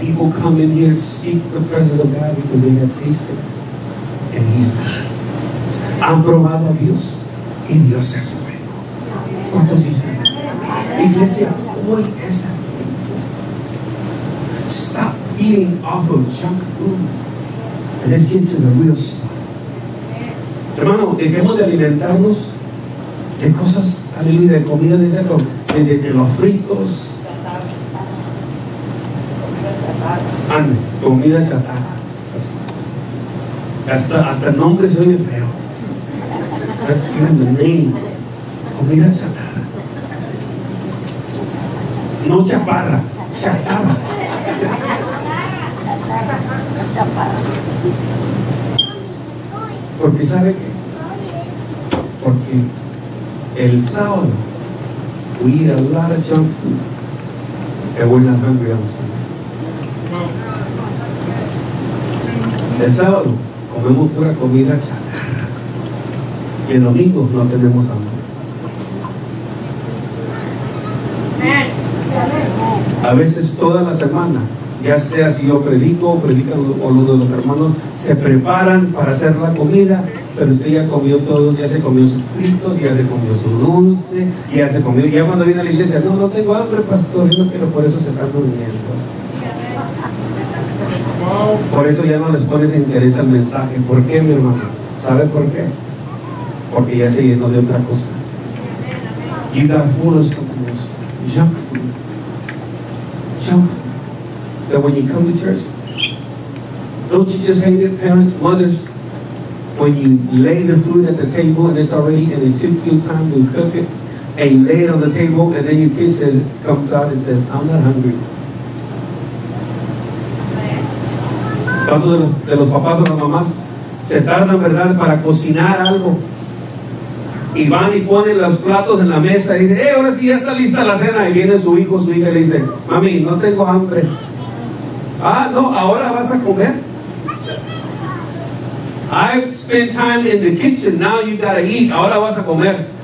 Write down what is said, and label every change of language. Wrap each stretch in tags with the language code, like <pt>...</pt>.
<en>People come in here, seek the presence of God because they have tasted and He's good.</en> <es>Han probado a Dios y Dios es bueno. ¿Cuántos dicen? Iglesia, hoy es el tiempo.</es> <en>Stop feeding off of junk food and let's get to the real stuff.</en> <es>Hermano, dejemos de alimentarnos de cosas, aleluya, de comida de cerdo, de los fritos. Ande, comida chatarra. Hasta el nombre se oye feo.</es> <en>Even the name.</en> <es>Comida chatarra. No chaparra, chatarra. Chatarra. Porque sabe qué. Porque el sábado</es> <en>we eat a lot of junk food and we're not hungry on Sunday.</en> <es>El sábado comemos pura comida chatarra y el domingo no tenemos hambre. a veces toda la semana, ya sea si yo predico o predican uno de los hermanos, se preparan para hacer la comida, pero usted ya comió todo, ya se comió sus fritos, ya se comió su dulce, ya se comió, ya cuando viene a la iglesia, no, no tengo hambre, pastor, yo no quiero, por eso se están durmiendo. Por eso ya no les pone de interés el mensaje. ¿Por qué, mi hermano? ¿Sabe por qué? Porque ya se llenó de otra cosa.</es> <en>You got full of something else. Junk food. Junk food. That when you come to church, don't you just hate it, parents, mothers, when you lay the food at the table and it's already, and it took you time to cook it, and you lay it on the table, and then your kid says, comes out and says, I'm not hungry.</en> <es>¿Cuántos de los papás o las mamás se tardan, verdad, para cocinar algo? Y van y ponen los platos en la mesa y dicen, ahora sí ya está lista la cena. Y viene su hijo, su hija y le dice, mami, no tengo hambre. Ah, no, ¿ahora vas a comer?</es> <en>I've spent time in the kitchen, now you gotta eat,</en> <es>ahora vas a comer.</es>